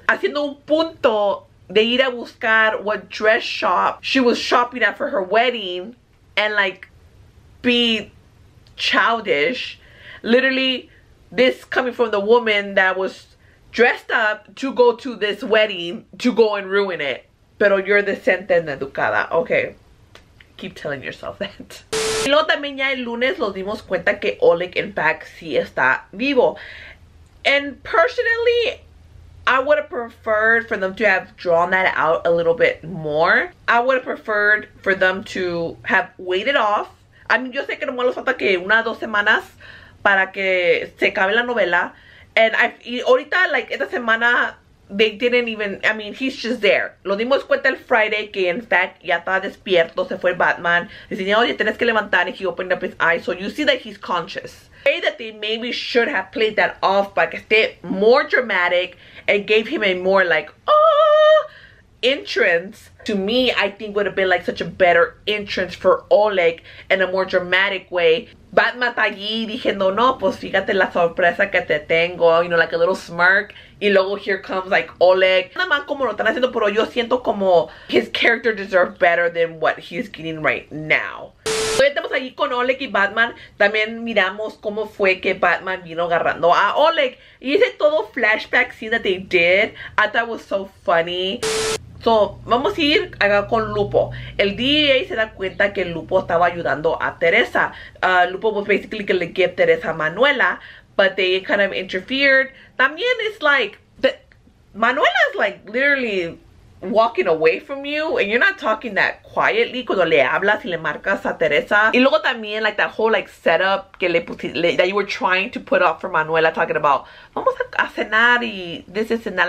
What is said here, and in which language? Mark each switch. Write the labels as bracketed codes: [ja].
[en] Haciendo un punto de ir a buscar what dress shop she was shopping at for her wedding and, like, be childish. Literally, this coming from the woman that was dressed up to go to this wedding to go and ruin it. Pero you're decente and educada. Okay. Keep telling yourself that. [es] Y luego también ya el lunes nos dimos cuenta que Oleg, in fact, sí está vivo. [en] And personally, I would have preferred for them to have drawn that out a little bit more. I would have preferred for them to have waited off. [es] I mean, yo sé que nomás les falta que una o dos semanas para que se acabe la novela. [en] And ahorita, like, esta semana, they didn't even, I mean, he's just there. [es] Lo dimos cuenta el Friday que, in fact, ya estaba despierto, se fue el Batman. [en] Dicen, oye, tienes que levantar, and he opened up his eyes. So you see that he's conscious. Say that they maybe should have played that off, but que esté more dramatic and gave him a more, like, oh, entrance. To me, I think would have been, like, such a better entrance for Oleg in a more dramatic way. [es] Batman está allí diciendo, no, pues fíjate la sorpresa que te tengo, you know, like a little smirk. Y luego here comes, like, Oleg. Nada más como lo están haciendo, pero yo siento como his character deserves better than what he's getting right now. Hoy estamos allí con Oleg y Batman. También miramos cómo fue que Batman vino agarrando a Oleg. [en] Y ese todo flashback scene that they did, I thought was so funny. [es] So, vamos a ir acá con Lupo. El DEA se da cuenta que Lupo estaba ayudando a Teresa. [en] Lupo was basically gonna give Teresa a Manuela, but they kind of interfered. También it's like, Manuela's like literally walking away from you, and you're not talking that quietly cuando le hablas y le marcas a Teresa. Y luego también, like, that whole, like, setup que le pusiste, that you were trying to put up for Manuela, talking about, vamos a cenar y this, this, and that.